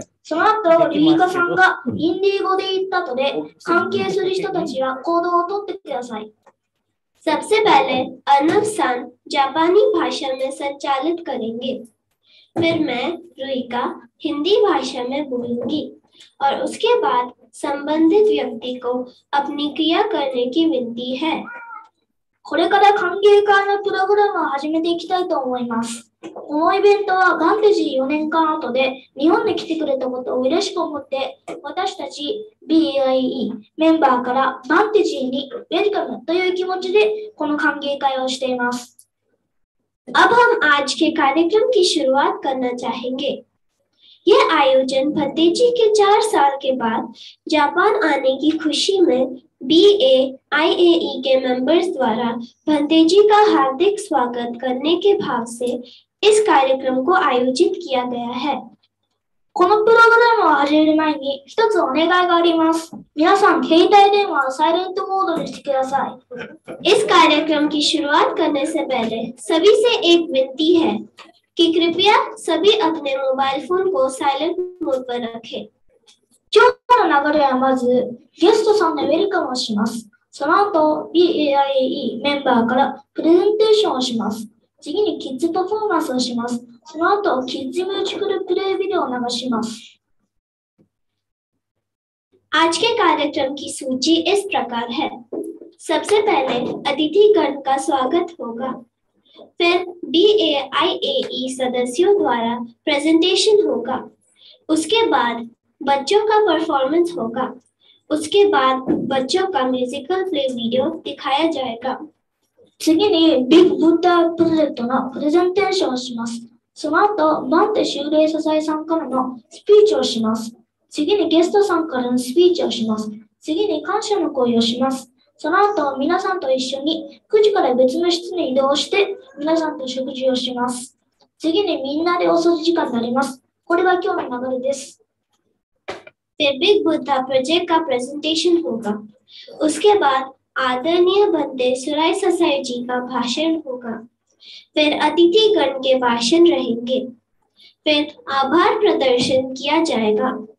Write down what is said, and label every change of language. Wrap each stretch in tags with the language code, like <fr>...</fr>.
<hi>सबसे पहले अनुप सान जापानी भाषा में संचालित करेंगे, फिर मैं रुइका हिंदी भाषा में बोलूंगी और उसके बाद संबंधित व्यक्ति को अपनी क्रिया करने की विनती है।</hi> <ja>これから歓迎会のプログラムを始めていきたいと思います。このイベントはガンデジー4年間後で日本に来てくれたことを嬉しく思って、私たち BIE メンバーからガンデジーにウェルカムという気持ちでこの歓迎会をしています。</ja> <hi>अब हम आज के कार्यक्रम की शुरुआत करना चाहेंगे। ये आयोजन भतीजी के 4 साल के बाद जापान आने की खुशी में BAIAE के मेंबर्स द्वारा भंतेजी का हार्दिक स्वागत करने के भाव से इस कार्यक्रम को आयोजित किया गया है।</hi> <ja>このプログラムを始める前に一つお願いがあります。皆さん携帯電話をサイレントモードにしてください。</ja> <hi>इस कार्यक्रम की शुरुआत करने से पहले सभी से एक विनती है कि कृपया सभी अपने मोबाइल फोन को साइलेंट मोड पर रखें।</hi> <ja>今日の流れはまず、ゲストさんでウェルカムをします。その後、BAIAE メンバーからプレゼンテーションをします。次にキッズパフォーマンスをします。その後、キッズミュージカルプレイビデオを流します。</ja> <hi>आज के कार्यक्रम की सूची इस प्रकार है। सबसे पहले अतिथिगण का स्वागत होगा। फिर BAIAE सदस्यों द्वारा प्रेजेंटेशन होगा। उसके बाद बच्चों का परफॉर्मेंस होगा, उसके बाद बच्चों का म्यूजिकल प्ले वीडियो दिखाया जाएगा।</hi> <ja>次にビッグブッダープロジェクトのプレゼンテーションをします。その後、バンテ修礼ササイさんからのスピーチをします。次にゲストさんからのスピーチをします。次に感謝の声をします。その後、皆さんと一緒に9時から別の室に移動して皆さんと食事をします。次にみんなでお掃除時間になります。これが今日の流れです。</ja> <hi>फिर बिग बुद्धा प्रोजेक्ट का प्रेजेंटेशन होगा। उसके बाद आदरणीय बंदे सुराय ससाई जी का भाषण होगा। फिर अतिथिगण के भाषण रहेंगे। फिर आभार प्रदर्शन किया जाएगा।</hi>